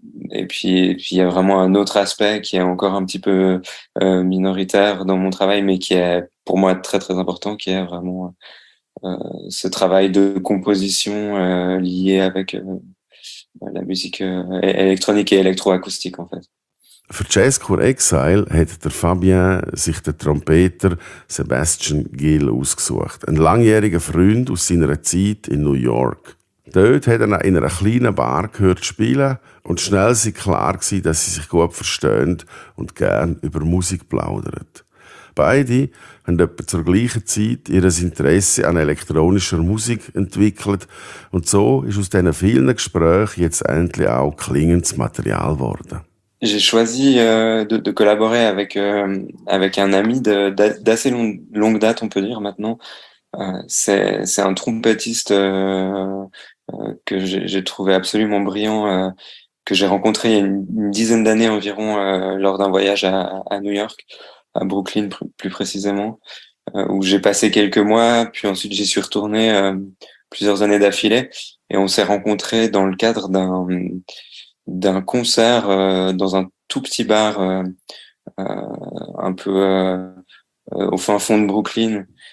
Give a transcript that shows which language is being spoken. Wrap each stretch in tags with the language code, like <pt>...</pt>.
<fr>Et puis, il y a vraiment un autre aspect qui est encore un petit peu minoritaire dans mon travail, mais qui est pour moi très, très important, qui est vraiment ce travail de composition lié avec la musique électronique et électroacoustique, en fait.</fr> <de>Für Jazzcore Exile hat der Fabien sich den Trompeter Sebastian Gill ausgesucht, ein langjähriger Freund aus seiner Zeit in New York. Dort hat er in einer kleinen Bar gehört spielen und schnell war klar, dass sie sich gut verstehen und gern über Musik plaudern. Beide haben etwa zur gleichen Zeit ihr Interesse an elektronischer Musik entwickelt und so ist aus diesen vielen Gesprächen jetzt endlich auch klingendes Material geworden.</de> <fr>J'ai choisi de collaborer avec un ami d'assez longue date, on peut dire maintenant. C'est un trompettiste que j'ai trouvé absolument brillant, que j'ai rencontré il y a une dizaine d'années environ lors d'un voyage à New York, à Brooklyn plus précisément, où j'ai passé quelques mois, puis ensuite j'y suis retourné plusieurs années d'affilée, et on s'est rencontré dans le cadre d'un concert dans un tout petit bar au fin fond de Brooklyn.</fr>